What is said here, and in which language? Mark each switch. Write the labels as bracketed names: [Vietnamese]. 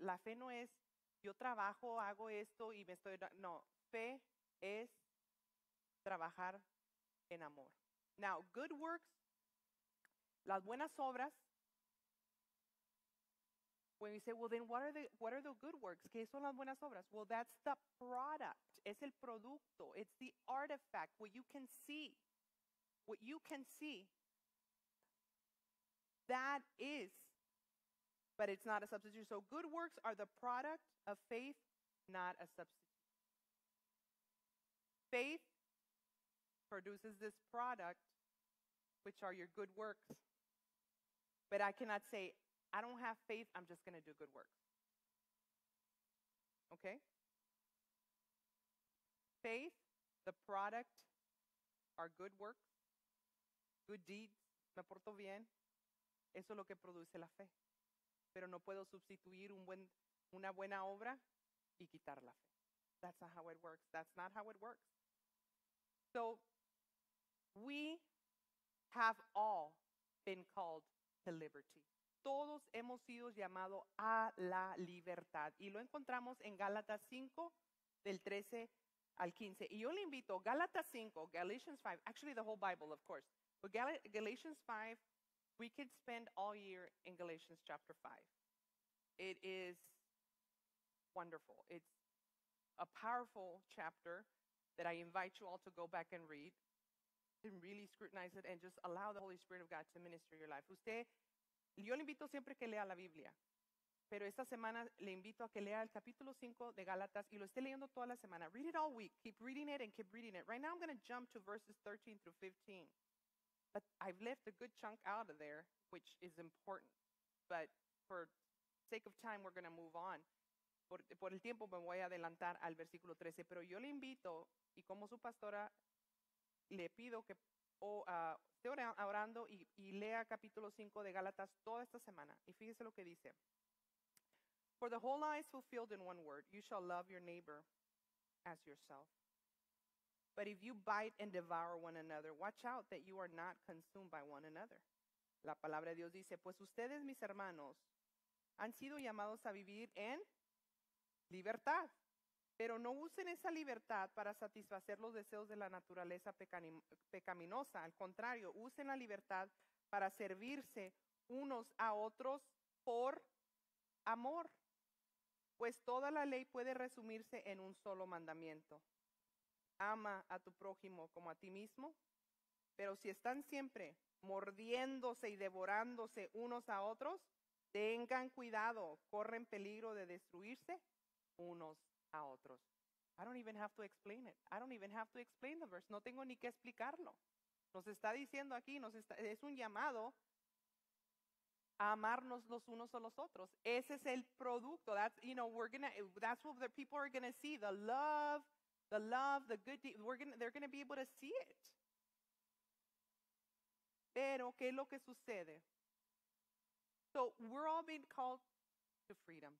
[Spanish] La fe no es, yo trabajo, hago esto y me estoy... No, fe es trabajar en amor. [English] Now, good works, [Spanish] las buenas obras, [English] when you say, well, then what are the good works? ¿Qué son las buenas obras? Well, that's the product. Es el producto. It's the artifact, what you can see. What you can see, that is, but it's not a substitute. So good works are the product of faith, not a substitute. Faith produces this product, which are your good works. But I cannot say, I don't have faith, I'm just going to do good works. Okay? Faith, the product, are good works, good deeds. [Spanish] Me porto bien. Eso es lo que produce la fe. Pero no puedo sustituir una buena obra y quitar la fe. [English] That's not how it works. That's not how it works. So, we have all been called to liberty. [Spanish] Todos hemos sido llamados a la libertad. Y lo encontramos en Gálatas 5, del 13 al 15. Y yo le invito, Gálatas 5, [English] Galatians 5, actually the whole Bible, of course. But Galatians 5, we could spend all year in Galatians chapter 5. It is wonderful. It's a powerful chapter that I invite you all to go back and read. And really scrutinize it and just allow the Holy Spirit of God to minister your life. [Spanish] Usted, yo le invito siempre que lea la Biblia. Pero esta semana le invito a que lea el capítulo 5 de Gálatas y lo esté leyendo toda la semana. [English] Read it all week. Keep reading it and keep reading it. Right now I'm going to jump to verses 13 through 15. But I've left a good chunk out of there, which is important. But for sake of time, we're going to move on. [Spanish] Por el tiempo me voy a adelantar al versículo 13. Pero yo le invito, y como su pastora, le pido que esté orando y lea capítulo 5 de Gálatas toda esta semana. Y fíjese lo que dice. [English] For the whole law is fulfilled in one word: you shall love your neighbor as yourself. But if you bite and devour one another, watch out that you are not consumed by one another. [Spanish] La palabra de Dios dice, pues ustedes, mis hermanos, han sido llamados a vivir en libertad. Pero no usen esa libertad para satisfacer los deseos de la naturaleza pecaminosa. Al contrario, usen la libertad para servirse unos a otros por amor. Pues toda la ley puede resumirse en un solo mandamiento: ama a tu prójimo como a ti mismo. Pero si están siempre mordiéndose y devorándose unos a otros, tengan cuidado, corren peligro de destruirse unos a otros. [English] I don't even have to explain it. I don't even have to explain the verse. [Spanish] No tengo ni que explicarlo. Nos está diciendo aquí, es un llamado a amarnos los unos a los otros. Ese es el producto. [English] That's what the people are going to see. The love, the good deed. They're going to be able to see it. [Spanish] Pero, ¿qué es lo que sucede? [English] So, we're all being called to freedom.